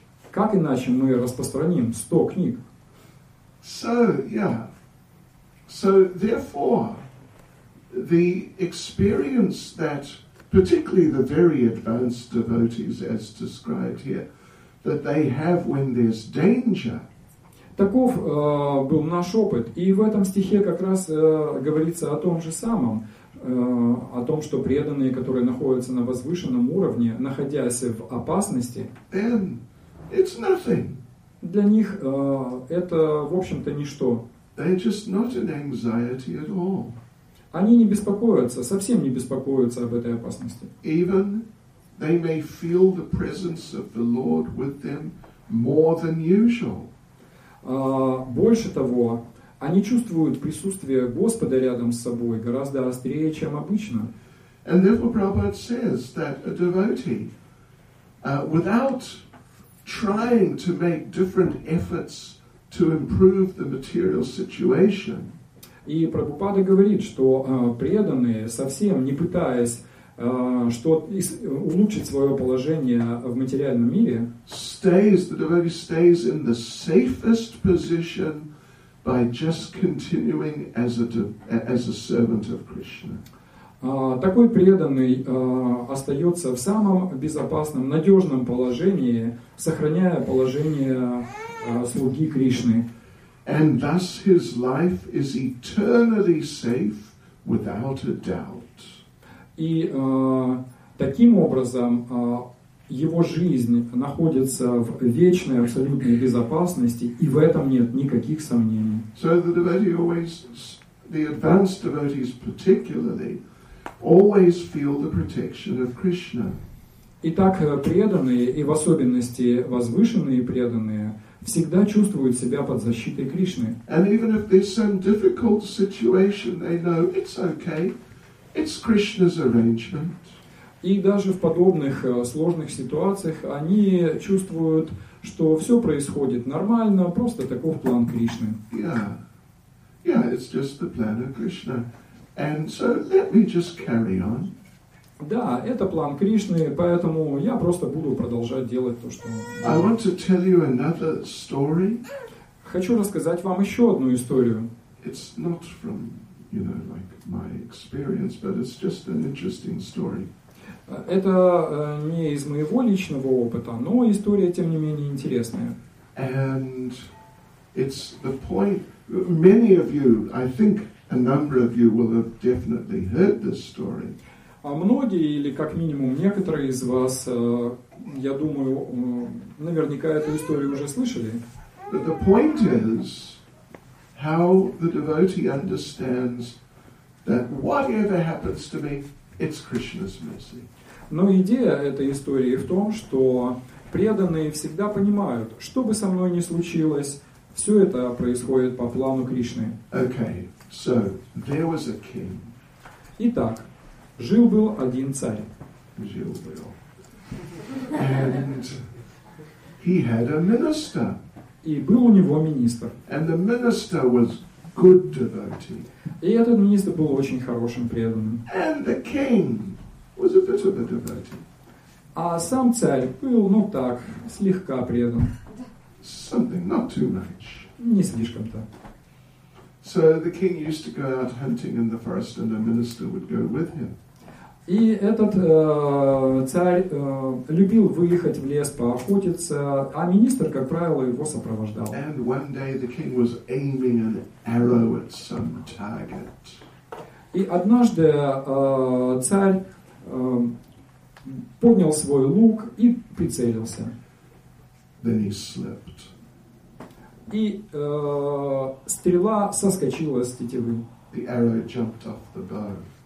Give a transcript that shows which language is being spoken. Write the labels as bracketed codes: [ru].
[ru] Как иначе мы распространим 100 книг? [en] So, yeah. So, therefore, the experience that particularly the very advanced devotees as described here that they have when there's danger. [ru] Таков был наш опыт. И в этом стихе как раз говорится о том же самом, о том, что преданные, которые находятся на возвышенном уровне, находясь в опасности, [en] then it's nothing. [ru] Для них это, в общем-то, ничто. [en] They're just not in anxiety at all. [ru] Они не беспокоятся, совсем не беспокоятся об этой опасности. [en] Even they may feel the presence of the Lord with them more than usual. [ru] Больше того, они чувствуют присутствие Господа рядом с собой гораздо острее, чем обычно. [en] And therefore Prabhupada says that a devotee without trying to make different efforts to improve the material situation. [ru] И Прабхупада говорит, что преданные, совсем не пытаясь улучшить свое положение в материальном мире, [en] stays, the devotee stays in the safest position by just continuing as a servant of Krishna. [ru] Такой преданный остается в самом безопасном, надежном положении, сохраняя положение слуги Кришны. [en] And thus his life is eternally safe without a doubt. [ru] И таким образом его жизнь находится в вечной абсолютной безопасности, и в этом нет никаких сомнений. [en] So the devotee always, the advanced devotees particularly, always feel the protection of Krishna. [ru] Итак, преданные, и в особенности возвышенные преданные, всегда чувствуют себя под защитой Кришны. [en] And even if there's some difficult situation, they know it's okay. It's Krishna's arrangement. [ru] И даже в подобных сложных ситуациях они чувствуют, что все происходит нормально, просто таков план Кришны. [en] Yeah, it's just the plan of Krishna. And so let me just carry on. [ru] Да, это план Кришны, поэтому я просто буду продолжать делать то, что... [en] I want to tell you another story. [ru] Хочу рассказать вам еще одну историю. [en] It's not from, you know, like my experience, but it's just an interesting story. [ru] Это не из моего личного опыта, но история, тем не менее, интересная. [en] And it's the point... Many of you, I think a number of you will have definitely heard this story. [ru] А многие, или как минимум некоторые из вас, я думаю, наверняка эту историю уже слышали. [en] But the point is how the devotee understands that whatever happens to me, it's Krishna's mercy. [ru] Но идея этой истории в том, что преданные всегда понимают, что бы со мной ни случилось, все это происходит по плану Кришны. [en] Okay, so there was a king. [ru] Итак, жил-был один царь. Жил-был. [en] And he had a minister. [ru] И был у него министр. [en] And the minister was good devotee. [ru] И этот министр был очень хорошим преданным. [en] And the king was a bit of a devotee. [ru] А сам царь был, ну так, слегка предан. [en] Something not too much. [ru] Не слишком-то. [en] So the king used to go out hunting in the forest and the minister would go with him. [ru] И этот царь любил выехать в лес поохотиться, а министр, как правило, его сопровождал. [en] And one day the king was aiming an arrow at some target. [ru] И однажды царь поднял свой лук и прицелился. [en] Then he slipped. [ru] И стрела соскочила с тетивы. [en] The arrow jumped off the bow.